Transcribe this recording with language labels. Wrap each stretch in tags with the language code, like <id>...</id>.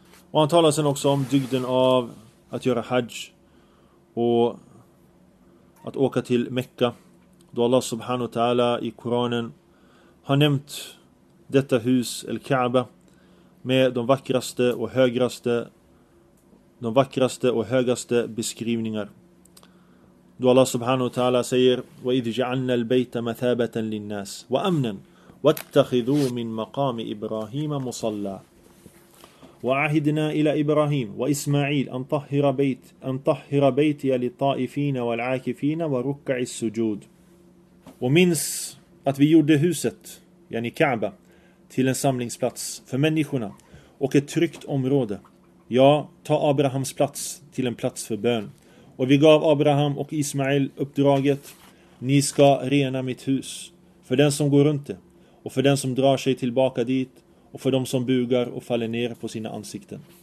<sv>Och han talar sen också om dygden av att göra hajj och att åka till Mekka. Då Allah subhanahu wa ta'ala i Koranen har nämnt detta hus, Al-Ka'ba, med de vackraste och högaste beskrivningar. Då Allah subhanahu wa ta'ala säger:</sv> <ar>وَإِذْ جَعَلْنَا الْبَيْتَ مَثَابَةً لِلنَّاسِ وَأَمْنًا وَاتَّخِذُوا مِنْ مَقَامِ إِبْرَاهِيمَ مُصَلَّى وَعَهِدْنَا إِلَى إِبْرَاهِيمَ وَإِسْمَعِيلَ أَنْ طَهِّرَ بَيْتِيَ لِلطَّائِفِينَ وَالْعَاكِفِينَ وَرُكَّعِ السُّجُودِ.</ar> <sv>Och minns att vi gjorde huset, yani Kaaba, till en samlingsplats för människorna och ett tryggt område. Ja, ta Abrahams plats till en plats för bön. Och vi gav Abraham och Ismail uppdraget: ni ska rena mitt hus för den som går runt det, och för den som drar sig tillbaka dit, och för de som bugar och faller ner på sina ansikten.</sv>